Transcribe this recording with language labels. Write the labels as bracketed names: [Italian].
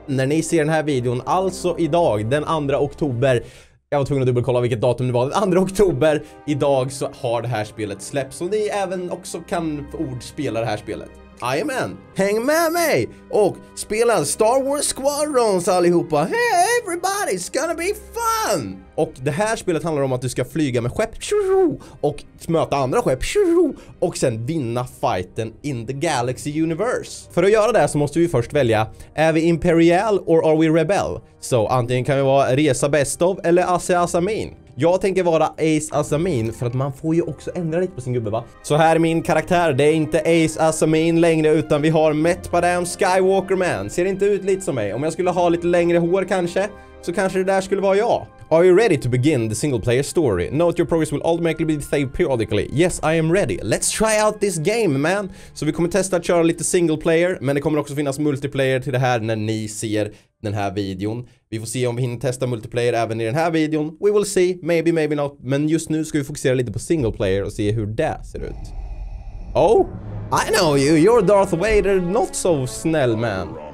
[Swedish] När ni ser den här videon, alltså idag den 2 oktober, jag var tvungen att dubbelkolla vilket datum det var, den 2 oktober idag så har det här spelet släppts och ni även också kan ordspela det här spelet. Jajamän, häng med mig och spela Star Wars Squadrons allihopa. [English] Hey everybody, it's gonna be fun. [Swedish] Och det här spelet handlar om att du ska flyga med skepp och möta andra skepp och sen vinna fighten [English] in the galaxy universe. [Swedish] För att göra det så måste vi först välja, är vi [English] imperial or are we rebel? [Swedish] Så antingen kan vi vara Reza Bestov eller Ace Azamin. Jag tänker vara Ace Azamin för att man får ju också ändra lite på sin gubbe, va? Så här är min karaktär, det är inte Ace Azamin längre utan vi har Met Padam Skywalker Man. Ser inte ut lite som mig, om jag skulle ha lite längre hår kanske, så kanske det där skulle vara jag. [English] Are you ready to begin the single player story? Note your progress will automatically be saved periodically. Yes, I am ready. Let's try out this game, man. [Swedish] Så vi kommer testa att köra lite single player, men det kommer också finnas multiplayer till det här när ni ser den här videon. Vi får se om vi hinner testa multiplayer även i den här videon. [English] We will see, maybe, maybe not. [Swedish] Men just nu ska vi fokusera lite på single player och se hur det ser ut. [English] Oh, I know you, you're Darth Vader, not so snäll, man.